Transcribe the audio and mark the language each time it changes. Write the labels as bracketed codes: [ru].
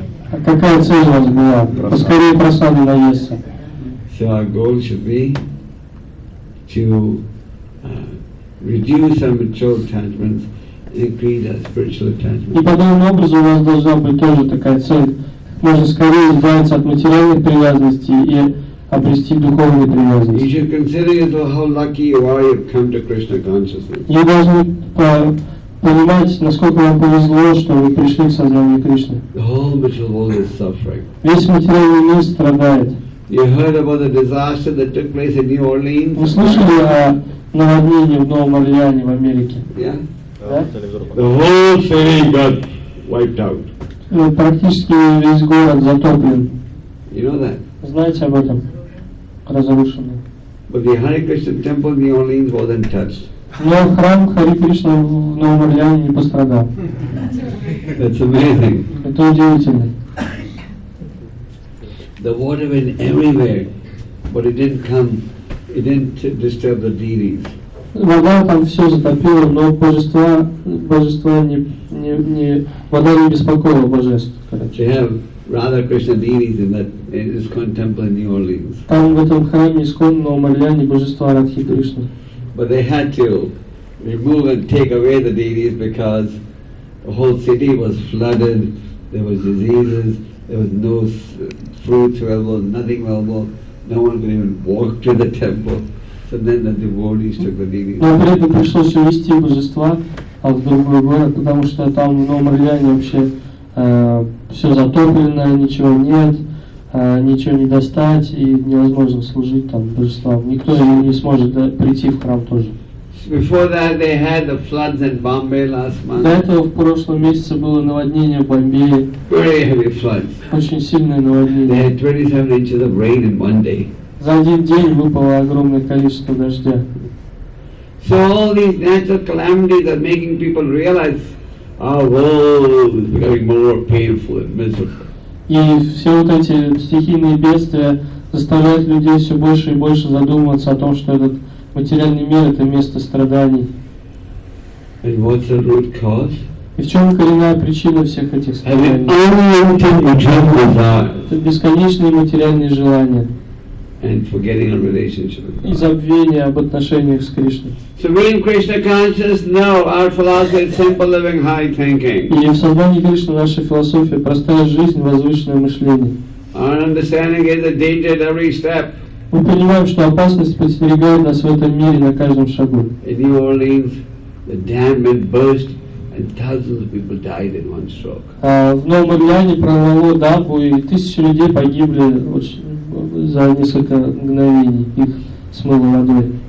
[ru] А какая цель у вас была? Поскорее просаду наесться. [en] So our goal should be to reduce our material attachments and increase our spiritual attachments. [ru] И подобным образом у вас должна быть тоже такая цель. Можно скорее избавиться от материальных привязанностей и обрести духовные привязанности. [en] You should consider how lucky you are you've come to Krishna consciousness. [ru] Вы должны понимаете, насколько вам повезло, что вы пришли к сознанию Кришны. [en] The whole material world is suffering. [ru] Весь материальный мир страдает. [en] You heard about the disaster that took place in New Orleans? [ru] Вы слышали о наводнении в Новом Орлеане в Америке? [en] The whole city got wiped out. [ru] Практически весь город затоплен. [en] You know that? [ru] Знаете об этом? Разрушенный. [en] But the Hare Krishna temple in New Orleans wasn't touched. [ru] Но храм Хари Кришна в Новом Орлеане не пострадал. [en] That's amazing. [ru] Это удивительно. [en] The water went everywhere, but it didn't come, it didn't disturb the deities. [ru] Вода там все затопила, но божества не вода не беспокоила божеств. [en] They have Radha Krishna deities in that in this temple in New Orleans. [ru] Там в этом храме искон в Новом Орлеане божества Радхи Кришны. [en] But they had to remove and take away the deities because the whole city was flooded, there was diseases, there was no fruits available, nothing available, no one could even walk to the temple. So then the devotees took the deities. [ru] Но при этом пришлось увезти божества в другой город, потому что там в Новом Орлеане вообще все затоплено, ничего нет, ничего не достать и невозможно служить там божествам. Никто не сможет прийти в храм тоже. [en] Before that they had the floods in Bombay last month. [ru] До этого в прошлом месяце было наводнение в Бомбее. [en] Very heavy floods. [ru] Очень сильное наводнение. [en] They had 27 inches of rain in one day. [ru] За один день выпало огромное количество дождя. [en] So all these natural calamities are making people realize our world is becoming more painful and miserable. [ru] И все вот эти стихийные бедствия заставляют людей все больше и больше задумываться о том, что этот материальный мир — это место страданий. [en] And what's the root cause? [ru] И в чем коренная причина всех этих страданий? Это бесконечные материальные желания. [en] And forgetting our relationship with God. [ru] И забвение об отношениях с Кришной. [en] So we in Krishna consciousness know our philosophy is simple living, high thinking. [ru] И в сознании Кришны наша философия простая жизнь, возвышенное мышление. [en] Our understanding is a danger at every step. [ru] Мы понимаем, что опасность подстерегает нас в этом мире на каждом шагу. [en] In New Orleans, the dam had burst, and thousands of people died in one stroke. [ru] В Новом Орлеане прорвало дамбу, и тысячи людей погибли за несколько мгновений, их смыло водой.